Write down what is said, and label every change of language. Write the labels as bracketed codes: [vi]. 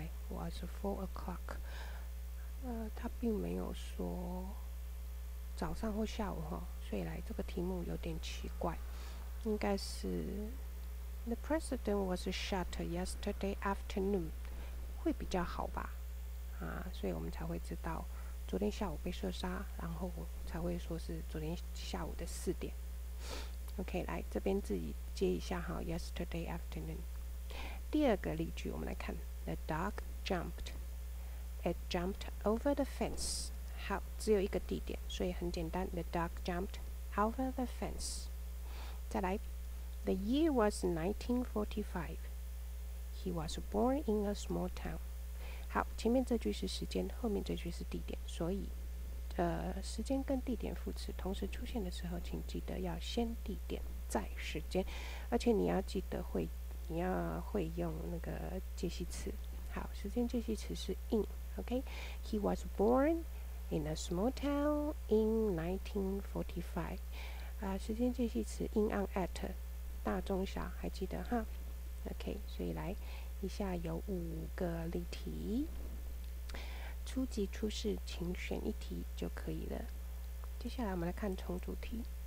[en] was 4 o'clock， [zh] 他并没有说早上或下午哈，所以来这个题目有点奇怪，应该是 [en] the president was shot yesterday afternoon [zh] 会比较好吧，所以我们才会知道昨天下午被射杀，然后才会说是昨天下午的4点。 OK， 来这边自己接一下哈 [en] yesterday afternoon。 [zh] 第二个例句我们来看 [en] the dog jumped， it jumped over the fence。 [zh] 好，只有一个地点，所以很简单， [en] the dog jumped over the fence。 [zh] 再来， [en] the year was 1945， he was born in a small town。 [zh] 好，前面这句是时间，后面这句是地点，所以时间跟地点副词同时出现的时候，请记得要先地点再时间，而且你要记得会，你要会用那个介系词。好，时间介系词是 in， OK。 [en] He was born in a small town in 1945。 [zh] 时间介系词 in on at， 大中小还记得哈？ OK， 所以来一下有5个例题，初级初试请选一题就可以了。接下来我们来看重组题。